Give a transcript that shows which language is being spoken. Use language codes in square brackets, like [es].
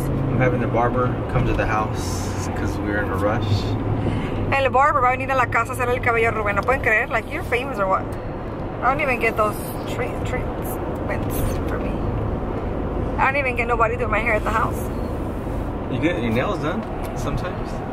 [en] I'm having the barber come to the house because we're in a rush. [es] El barber va a venir a la casa a hacer el cabello a Ruben. ¿No pueden creer? [en] Like, you're famous or what? I don't even get those treatments for me. I don't even get nobody to do my hair at the house. You get your nails done sometimes?